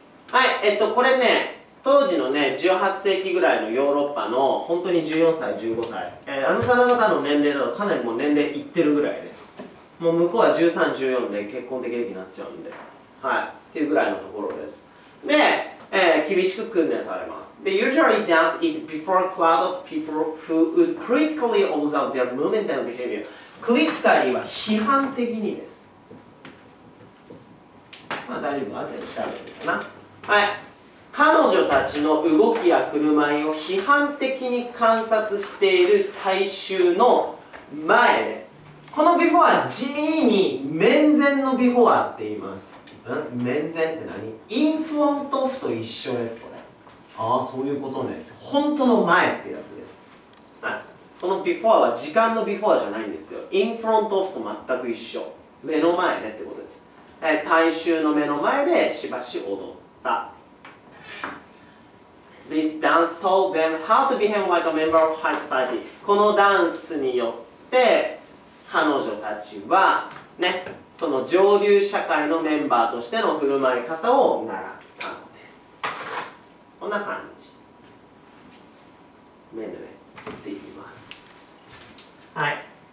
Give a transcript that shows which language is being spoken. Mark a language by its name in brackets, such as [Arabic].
[Japanese] はい、これね、当時のね、18世紀ぐらいのヨーロッパの、本当に14歳、15歳、あなた方の年齢など、かなりもう年齢いってるぐらいです。もう向こうは13、14で結婚的歴になっちゃうんで、はい、っていうぐらいのところです。で、厳しく訓練されます。 [English] They usually dance it before a crowd of people who would critically observe their movement and behavior. [Japanese] Critically は批判的にです。まあ大丈夫、あとで調べてるかな。はい。彼女たちの動きや振る舞いを批判的に観察している大衆の前で、この before は地味に面前の before って言います。面前って何？インフロントオフと一緒です、これ。ああ、そういうことね。本当の前ってやつです。はい、この before は時間の before じゃないんですよ。インフロントオフと全く一緒、目の前ねってことです。大衆の目の前でしばし踊った。 [English] This dance taught them how to behave like a member of high society. [Japanese] このダンスによって彼女たちはね、その上流社会のメンバーとしての振る舞い方を習ったのです。こんな感じ。メヌエって言います。はい。